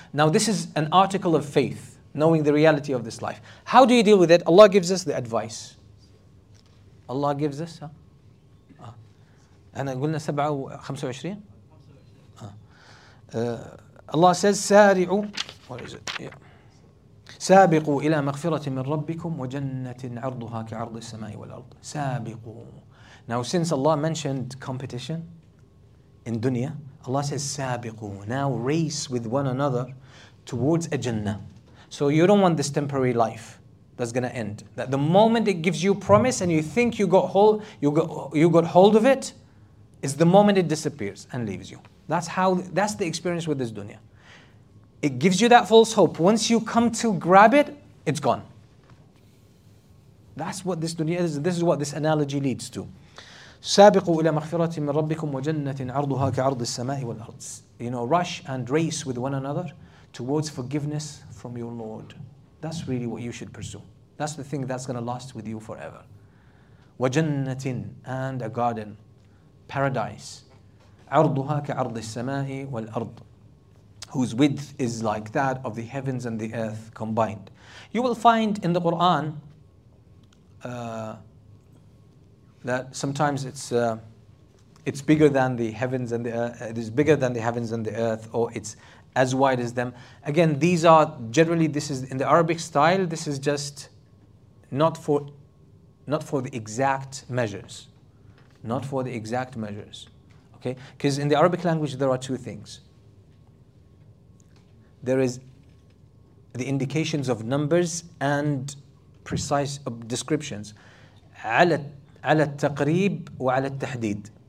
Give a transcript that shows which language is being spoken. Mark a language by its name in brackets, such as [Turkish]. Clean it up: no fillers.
[English] Now this is an article of faith, knowing the reality of this life. How do you deal with it? Allah gives us the advice. Allah gives us... [Arabic] أنا قلنا 27? [English] Allah says, سارعوا, where is it? Yeah. [Arabic] سابقوا إلى مغفرة من ربكم وجنة عرضها كعرض السماء والأرض. سابقوا. [English] Now, since Allah mentioned competition in dunya, Allah says, سابقوا. Now, race with one another towards a Jannah. So, you don't want this temporary life that's going to end. That the moment it gives you promise and you think you got hold of it, is the moment it disappears and leaves you. That's the experience with this dunya. It gives you that false hope. Once you come to grab it, it's gone. That's what this dunya is. This is what this analogy leads to. [Arabic] سابقوا إلى مغفرة من ربكم وجنة عرضها كعرض السماء والأرض. [English] You know, rush and race with one another towards forgiveness from your Lord. That's really what you should pursue. That's the thing that's going to last with you forever. وجنة and a garden, paradise. [Arabic] عرضها كعرض السماء والأرض [English] whose width is like that of the heavens and the earth combined. You will find in the Quran that sometimes it's bigger than the heavens and the earth. It is bigger than the heavens and the earth, or it's as wide as them. Again, these are generally this is in the Arabic style. This is just not for the exact measures, not for the exact measures. Okay, because in the Arabic language there are two things. There is the indications of numbers and precise descriptions. [Arabic] على التقريب وعلى التحديد.